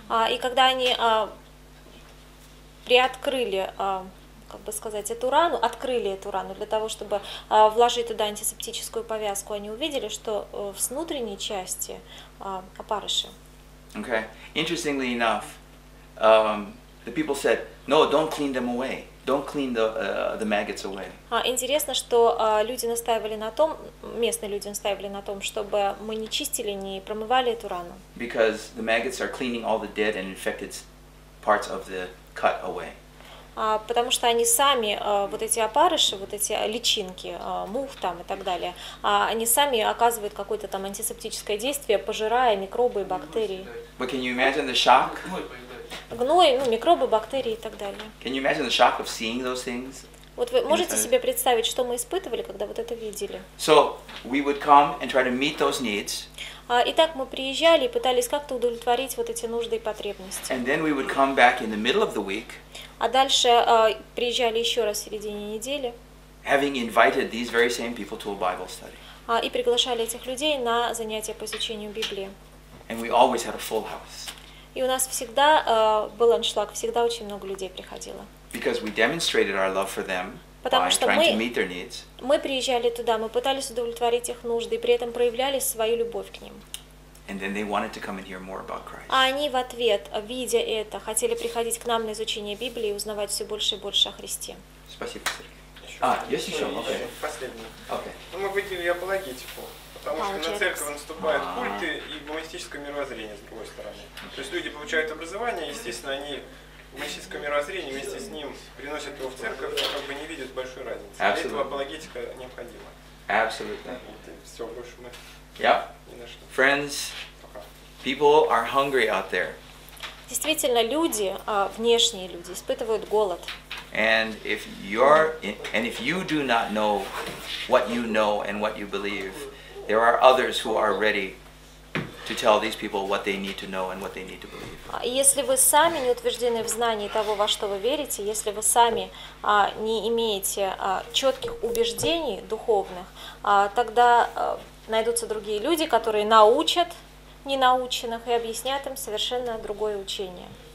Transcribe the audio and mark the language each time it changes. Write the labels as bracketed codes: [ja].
[ru] И когда они приоткрыли, как бы сказать, эту рану, открыли эту рану для того, чтобы вложить туда антисептическую повязку, они увидели, что с внутренней части опарыши. [en] Okay. Interestingly enough, the people said, no, don't clean them away. Don't clean the maggots away. [ru] Интересно, что люди настаивали на том, местные люди настаивали на том, чтобы мы не чистили, не промывали эту рану. [en] Because the maggots are cleaning all the dead and infected parts of the cut away. [ru] Потому что они сами, вот эти опарыши, вот эти личинки, мух там и так далее, они сами оказывают какое-то там антисептическое действие, пожирая микробы и бактерии. [en] But can you imagine the shock? [ru] Гной, ну, микробы, бактерии и так далее. [en] Can you imagine the shock of seeing those things? [ru] Вот вы можете себе представить, что мы испытывали, когда вот это видели? [en] So we would come and try to meet those needs. [ru] Итак, мы приезжали и пытались как-то удовлетворить вот эти нужды и потребности. [en] And then we would come back in the middle of the week. [ru] А дальше приезжали еще раз в середине недели. [en] Having invited these very same people to a Bible study. [ru] И приглашали этих людей на занятия по изучению Библии. [en] And we always had a full house. [ru] И у нас всегда был аншлаг, всегда очень много людей приходило. [en] Because we demonstrated our love for them. [ru] Потому что мы приезжали туда, мы пытались удовлетворить их нужды, и при этом проявляли свою любовь к ним. [en] And then they wanted to come and hear more about Christ. [ru] А они в ответ, видя это, хотели приходить к нам на изучение Библии и узнавать все больше и больше о Христе. Спасибо, Сергей. Есть еще? Окей. Последний. Ну, мы выделили апологетику, потому что на церковь наступают культы и гуманистическое мировоззрение, с другой стороны. То есть люди получают образование, естественно, они гуманистическое мировоззрение вместе с ним приносят его в церковь, и как бы не видят большой разницы. [en] Absolutely. [ru] Для этого апологетика необходима. Абсолютно. Все, больше мы... [en] Yep. Friends, people are hungry out there. [ru] Действительно, люди, внешние люди, испытывают голод. [en] And if you're and if you do not know what you know and what you believe, there are others who are ready to tell these people what they need to know and what they need to believe. [ru] Если вы сами не утверждены в знании того, во что вы верите, если вы сами не имеете четких убеждений духовных, тогда найдутся другие люди, которые научат ненаученных и объяснят им совершенно другое учение.